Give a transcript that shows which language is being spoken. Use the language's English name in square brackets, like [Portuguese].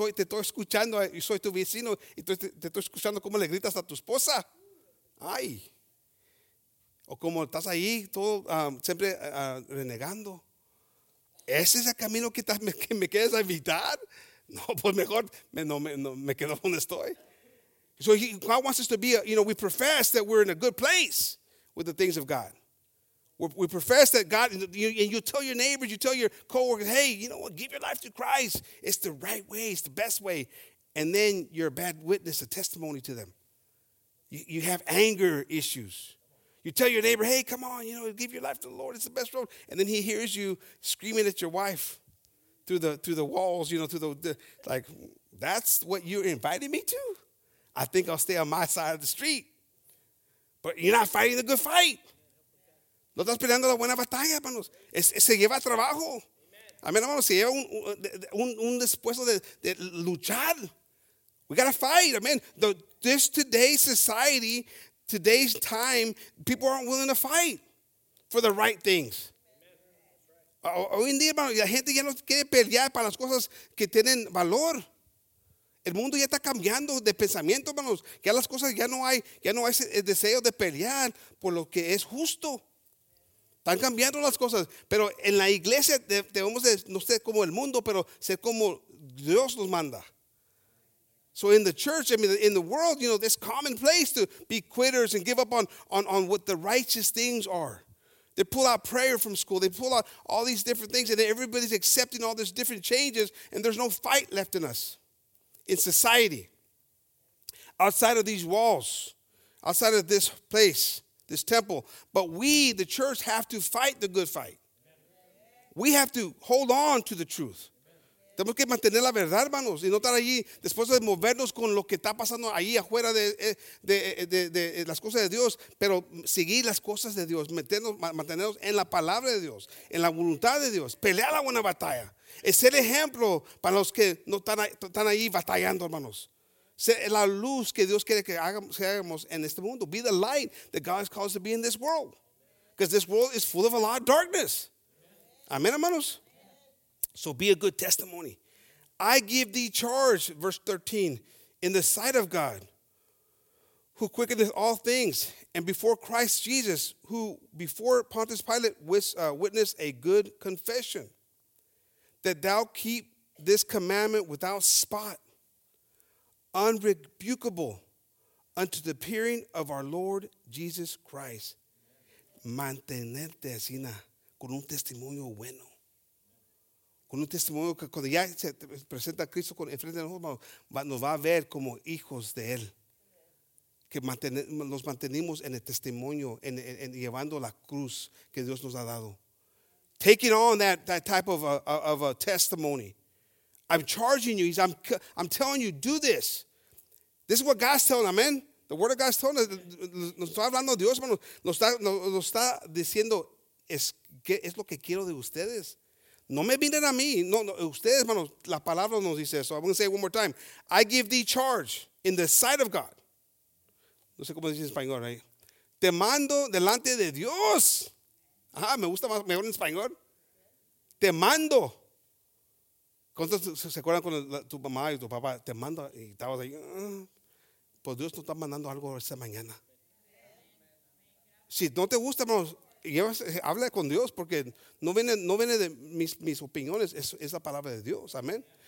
[Spanish] Te estoy escuchando y soy tu vecino y te estoy escuchando cómo le gritas a tu esposa. ¡Ay! O como estás ahí todo siempre renegando. ¿Ese es el camino que me quieres evitar? No, pues mejor me quedo donde estoy. [English] So God wants us to be, we profess that we're in a good place with the things of God. We profess that God, and you tell your neighbors, you tell your coworkers, hey, you know what, give your life to Christ. It's the right way. It's the best way. And then you're a bad witness, a testimony to them. You have anger issues. You tell your neighbor, hey, come on, give your life to the Lord. It's the best road. And then he hears you screaming at your wife through the walls, like, that's what you're inviting me to? I think I'll stay on my side of the street. But you're not fighting the good fight. [Spanish] No estás peleando la buena batalla, hermanos. Se lleva trabajo. Amén, hermano. Si lleva un dispuesto de luchar. [English] We gotta fight. [Spanish] Amén. [English] This today's society, today's time, people aren't willing to fight for the right things. [Spanish] Hoy en día, hermano, la gente ya no quiere pelear para las cosas que tienen valor. El mundo ya está cambiando de pensamiento, hermanos. Ya las cosas ya no hay ese deseo de pelear por lo que es justo. Están cambiando las cosas. Pero en la iglesia debemos de no ser como el mundo, pero ser como Dios nos manda. [English] So in the church, I mean, in the world, you know, this commonplace to be quitters and give up on what the righteous things are. They pull out prayer from school. They pull out all these different things, and everybody's accepting all these different changes, and there's no fight left in us. In society, outside of these walls, outside of this place, this temple. But we, the church, have to fight the good fight. We have to hold on to the truth. [Spanish] Tenemos que mantener la verdad, hermanos, y no estar allí después de movernos con lo que está pasando ahí afuera de las cosas de Dios, pero seguir las cosas de Dios, mantenernos en la palabra de Dios, en la voluntad de Dios, pelear la buena batalla. Es ser ejemplo para los que no están ahí batallando, hermanos. Ser la luz que Dios quiere que hagamos en este mundo. [English] Be the light that God has called us to be in this world. Because this world is full of a lot of darkness. [Spanish] Amén, hermanos. [English] So be a good testimony. I give thee charge, verse 13, in the sight of God, who quickeneth all things, and before Christ Jesus, who before Pontius Pilate witnessed a good confession, that thou keep this commandment without spot, unrebukable, unto the appearing of our Lord Jesus Christ. [Spanish] Mantenerte así, con un testimonio bueno. Con un testimonio que cuando ya se presenta a Cristo enfrente de nosotros, nos va a ver como hijos de Él. Que nos mantenimos en el testimonio, en llevando la cruz que Dios nos ha dado. [English] Taking on that type of a testimony. I'm charging you. I'm telling you, do this. This is what God's telling, amen. The word of God's telling us. [Spanish] Nos está hablando Dios, hermano. Nos está diciendo, es lo que quiero de ustedes. No me miren a mí. No, ustedes, hermano, la palabra nos dice eso. [English] I'm going to say it one more time. I give thee charge in the sight of God. [Spanish] No sé cómo se dice en español, right? Te mando delante de Dios. Ajá, me gusta más, mejor en español. Te mando. ¿Cuántos se acuerdan con tu mamá y tu papá? Te mando y estabas ahí. Pues Dios no está mandando algo esta mañana. Si no te gusta, hermano, habla con Dios, porque no viene de mis opiniones, es la palabra de Dios, amén.